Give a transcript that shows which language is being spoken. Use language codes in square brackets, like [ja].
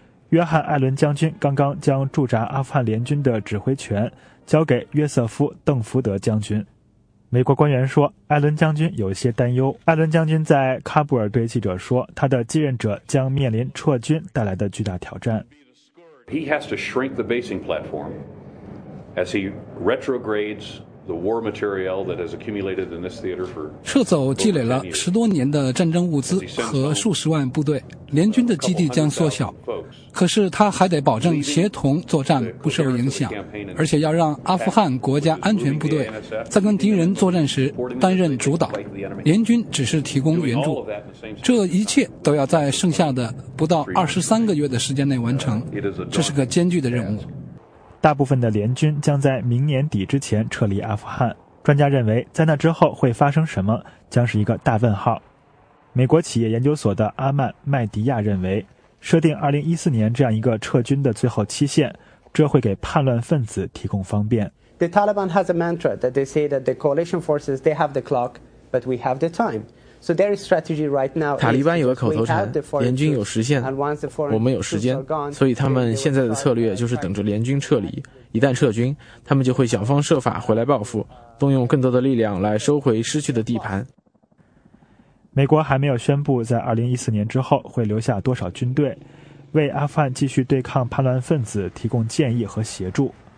[zh] 约翰·艾伦将军刚刚将驻扎阿富汗联军的指挥权交给约瑟夫·邓福德将军。美国官员说，艾伦将军有些担忧。艾伦将军在喀布尔对记者说，他的继任者将面临撤军带来的巨大挑战。 [en] He has to shrink the basing platform as he retrogrades the war material that has accumulated in this theater for. [zh] 撤走积累了十多年的战争物资和数十万部队，联军的基地将缩小。可是他还得保证协同作战不受影响，而且要让阿富汗国家安全部队在跟敌人作战时担任主导，联军只是提供援助。这一切都要在剩下的不到23个月的时间内完成，这是个艰巨的任务。大部分的联军将在明年底之前撤离阿富汗，专家认为在那之后会发生什么将是一个大问号。美国企业研究所的阿曼·麦迪亚认为，设定2014年这样一个撤军的最后期限，这会给叛乱分子提供方便。 [en] The Taliban has a mantra that they say that the coalition forces, they have the clock, but we have the time. So their strategy right now is, [zh] 塔利班有个口头禅，联军有时限，我们有时间，所以他们现在的策略就是等着联军撤离。一旦撤军，他们就会想方设法回来报复，动用更多的力量来收回失去的地盘。美国还没有宣布在2014年之后会留下多少军队，为阿富汗继续对抗叛乱分子提供建议和协助。